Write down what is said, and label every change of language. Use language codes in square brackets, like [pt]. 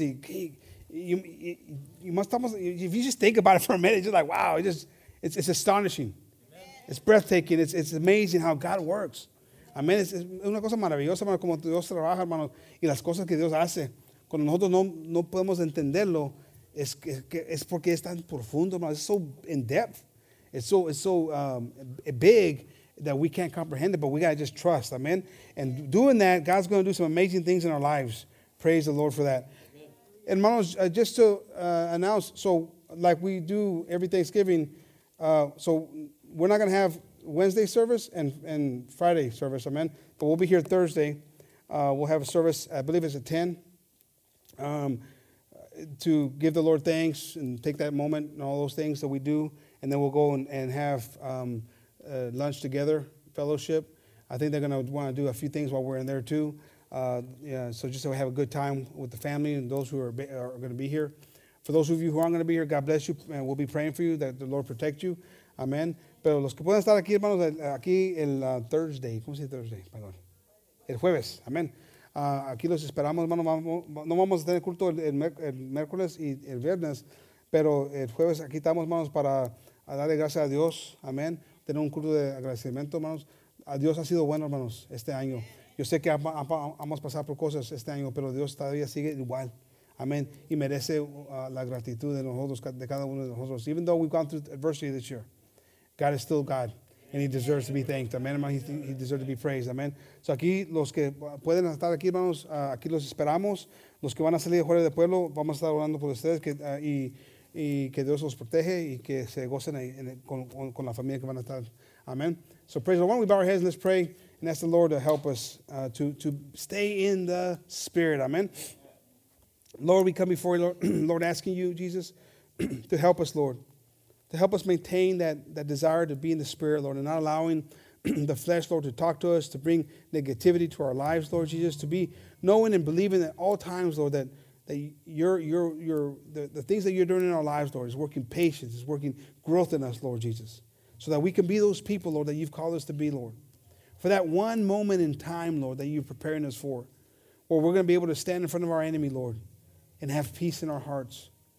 [en] If you just think about it for a minute, you're like, wow, it's astonishing. Amen. It's breathtaking. It's amazing how God works. Amen. [es] Es una cosa maravillosa, hermanos, como Dios trabaja, hermanos, y las cosas que Dios hace. Cuando nosotros no podemos entenderlo, es porque es tan profundo, hermanos. [en] It's so in-depth. It's so big that we can't comprehend it, but we got to just trust, amen? And doing that, God's going to do some amazing things in our lives. Praise the Lord for that. Amen. And hermanos, just to announce, so like we do every Thanksgiving, so we're not going to have Wednesday service and Friday service, amen? But we'll be here Thursday. We'll have a service, I believe it's at 10, to give the Lord thanks and take that moment and all those things that we do. And then we'll go and have lunch together, fellowship. I think they're going to want to do a few things while we're in there, too. So just so we have a good time with the family and those who are going to be here. For those of you who aren't going to be here, God bless you. And we'll be praying for you, that the Lord protect you. Amen. [es] Pero los que puedan estar aquí, hermanos, aquí el Thursday. ¿Cómo se dice Thursday? Perdón. El jueves. Amén. Aquí los esperamos, hermanos. No vamos a tener culto el miércoles y el viernes, pero el jueves aquí estamos, hermanos, para darle gracias a Dios. Amén. Tener un culto de agradecimiento, hermanos. A Dios ha sido bueno, hermanos, este año. Yo sé que vamos a pasar por cosas este año, pero Dios todavía sigue igual. Amén. Y merece la gratitud de nosotros, de cada uno de nosotros. [en] Even though we've gone through adversity this year, God is still God, and He deserves to be thanked. Amen. He deserves to be praised. Amen. [es] So aquí, los que pueden estar aquí, hermanos, aquí los esperamos. Los que van a salir de fuera del pueblo, vamos a estar orando por ustedes y que Dios los protege y que se gocen con la familia que van a estar. Amen. [en] So praise the Lord. Why don't we bow our heads and let's pray and ask the Lord to help us to stay in the Spirit. Amen. Lord, we come before you, Lord, asking you, Jesus, to help us, Lord. To help us maintain that desire to be in the Spirit, Lord, and not allowing the flesh, Lord, to talk to us, to bring negativity to our lives, Lord Jesus, to be knowing and believing at all times, Lord, that the things that you're doing in our lives, Lord, is working patience, is working growth in us, Lord Jesus, so that we can be those people, Lord, that you've called us to be, Lord, for that one moment in time, Lord, that you're preparing us for, where we're going to be able to stand in front of our enemy, Lord, and have peace in our hearts.